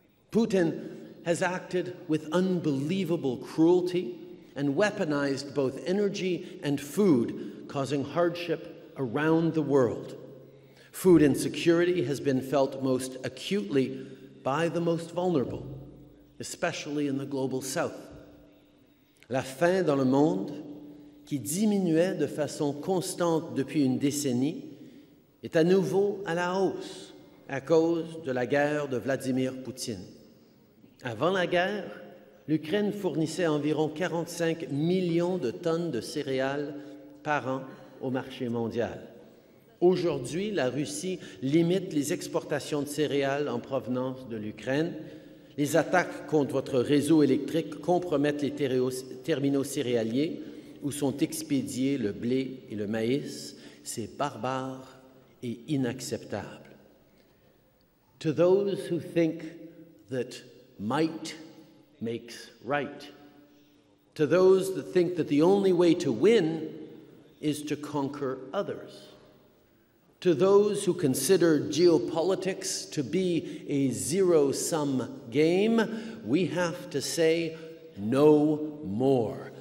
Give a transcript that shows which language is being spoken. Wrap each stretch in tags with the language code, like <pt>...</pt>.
<en>Putin has acted with unbelievable cruelty and weaponized both energy and food, causing hardship around the world. Food insecurity has been felt most acutely by the most vulnerable, especially in the global south.</en> <fr>La faim dans le monde, qui diminuait de façon constante depuis une décennie, est à nouveau à la hausse à cause de la guerre de Vladimir Poutine. Avant la guerre, l'Ukraine fournissait environ 45 millions de tonnes de céréales par an au marché mondial. Aujourd'hui, la Russie limite les exportations de céréales en provenance de l'Ukraine. Les attaques contre votre réseau électrique compromettent les terminaux céréaliers où sont expédiés le blé et le maïs. C'est barbare et inacceptable.</fr> <en>To those who think that might makes right. To those that think that the only way to win is to conquer others. To those who consider geopolitics to be a zero-sum game, we have to say no more.</en>